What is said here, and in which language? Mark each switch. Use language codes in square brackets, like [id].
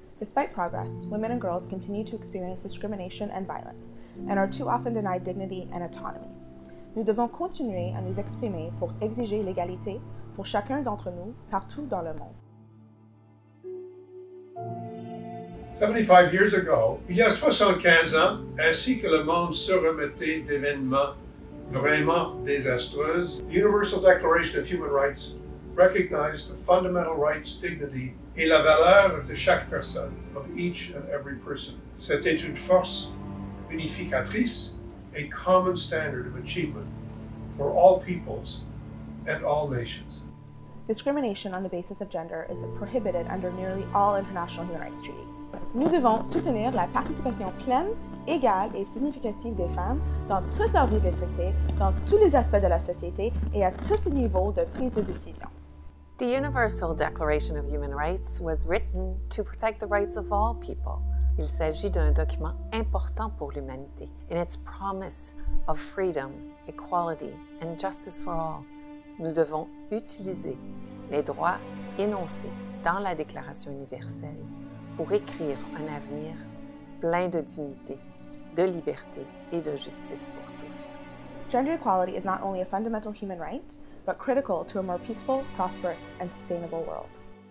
[en] Despite progress, women and girls continue to experience discrimination and violence, and are too often denied dignity and autonomy. [fr] Nous devons continuer à nous exprimer pour exiger l'égalité pour chacun d'entre nous partout dans le monde. [en] 75 years ago, [fr] il y a 75 ans, ainsi que le monde se remettait d'événements vraiment désastreux, [en] the Universal Declaration of Human Rights recognized the fundamental rights, dignity [fr] et la valeur de chaque personne, [en] of each and every person. [fr] C'était une force unificatrice, a common standard of achievement for all peoples and all nations. [en] Discrimination on the basis of gender is prohibited under nearly all international human rights treaties. [fr] Nous devons soutenir la participation pleine, égale et significative des femmes dans toute leur diversité, dans tous les aspects de la société et à tous les niveaux de prise de décision. [en] The Universal Declaration of Human Rights was written to protect the rights of all people. [fr] Il s'agit d'un document important pour l'humanité [en] in its promise of freedom, equality, and justice for all. [fr] Nous devons utiliser les droits énoncés dans la Déclaration universelle pour écrire un avenir plein de dignité, de liberté et de justice pour tous. [en] Gender equality is not only a fundamental human right, but critical to a more peaceful, prosperous, and sustainable world.